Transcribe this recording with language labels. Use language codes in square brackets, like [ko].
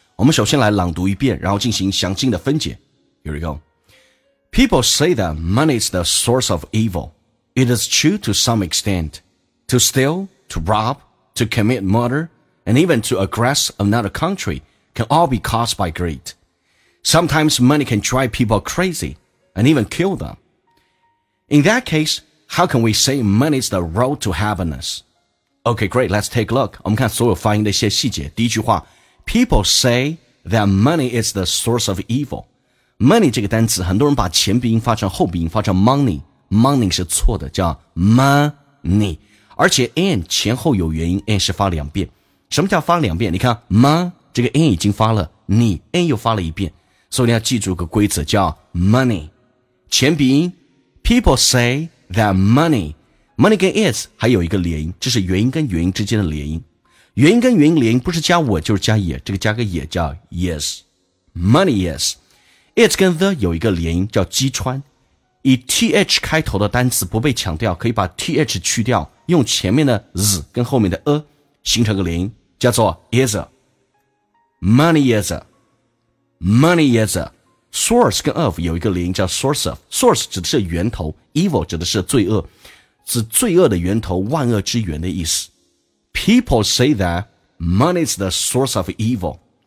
[zh] 我们首先来朗读一遍，然后进行详尽的分解。 [en] Here we go. People say that money is the source of evil. It is true to some extent. To steal, to rob, to commit murder, and even to aggress another country can all be caused by greed. Sometimes money can drive people crazy and even kill them. In that case, how can we say money is the road to happiness? Okay, great. Let's take a look. [zh] 我们看所有发音的一些细节。第一句话 [en] ,People say that money is the source of evil. [zh] Money 这个单词很多人把前鼻音发成后鼻音发成 money。 Money 是错的叫 money。而且 n 前后有元音 n 是发两遍。什么叫发两遍，你看 money 这个 n 已经发了你 n 又发了一遍。所以你要记住个规则叫 money。前鼻音 , [en] People say that money, [zh] Money 跟 is 还有一个连音，这是元音跟元音之间的连音。元音跟元音连音不是加我就是加也，这个加个也叫 yes。 Money is。 It 跟 the 有一个连音叫击穿。以 th 开头的单词不被强调，可以把 th 去掉，用前面的 z 跟后面的 a 形成个连音，叫做 is。Money is。 Money is。 Source 跟 of 有一个连音叫 source of。Source 指的是源头， evil 指的是罪恶。是罪恶的源头，万恶之源的意思。 [en] People say that money is the source of evil.